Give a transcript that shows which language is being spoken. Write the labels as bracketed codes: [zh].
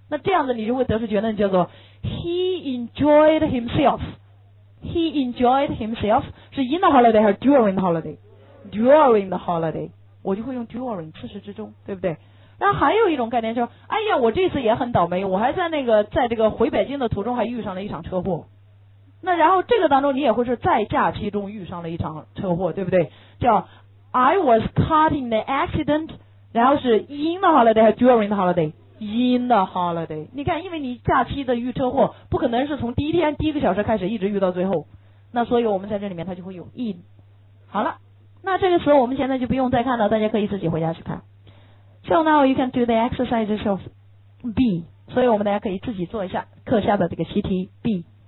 [zh] 那这样子你就会得出结论，叫做 [en] He enjoyed himself [zh] 是 [en] in the holiday [zh] 还是 [en] during the holiday？ During the holiday [zh] 我就会用 during 自始至终，对不对？然后还有一种概念说，哎呀，我这次也很倒霉，我还在这个回北京的途中还遇上了一场车祸。那然后这个当中你也会是在假期中遇上了一场车祸，对不对？叫 [en] I was caught in the accident， [zh] 然后是 [en] in the holiday [zh] 还是 [en] during the holiday？ In the holiday。 [zh] 你看，因为你假期的遇车祸不可能是从第一天第一个小时开始一直遇到最后，那所以我们在这里面它就会有 in。好了，那这个词我们现在就不用再看了，大家可以自己回家去看。 [en] So now you can do the exercises of B， [zh] 所以我们大家可以自己做一下课下的这个习题 B。